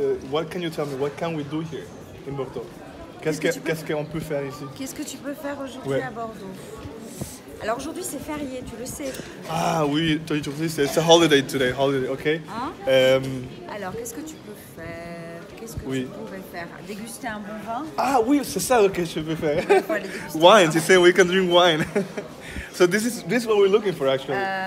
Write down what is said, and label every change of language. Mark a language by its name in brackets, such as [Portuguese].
[English] What can you tell me? What can we do here in Bordeaux? [French] Qu'est-ce qu'on peut faire ici? Qu'est-ce que tu peux faire aujourd'hui à Bordeaux? Alors aujourd'hui c'est férié, tu le sais. Ah oui, aujourd'hui c'est [English] holiday today, holiday, ok. [French] Hein? Alors qu'est-ce que tu peux faire? Tu pourrais faire? Déguster un bon vin? Ah oui, c'est ça que je peux faire. [English] Wine, [French] tu sais, [English] we can drink wine. So this is what we're looking for actually.